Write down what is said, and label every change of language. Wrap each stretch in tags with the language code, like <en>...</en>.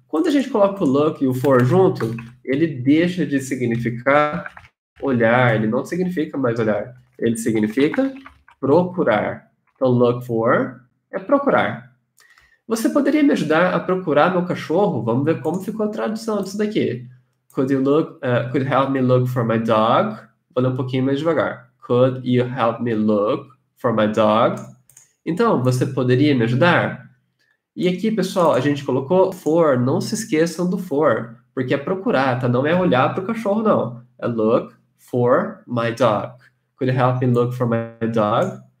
<pt>Quando a gente coloca o look e o for junto, ele deixa de significar olhar, ele não significa mais olhar, ele significa procurar. Então, look for é procurar. Você poderia me ajudar a procurar meu cachorro? Vamos ver como ficou a tradução disso daqui.</pt> <en>Could help me look for my dog?</en> <pt>Vou ler um pouquinho mais devagar.</pt> <en>Could you help me look for my dog?</en> <pt>Então, você poderia me ajudar? E aqui, pessoal, a gente colocou for. Não se esqueçam do for, porque é procurar, tá? Não é olhar para o cachorro, não. É</pt> <en>look for my dog. Could you help me look for my dog?</en>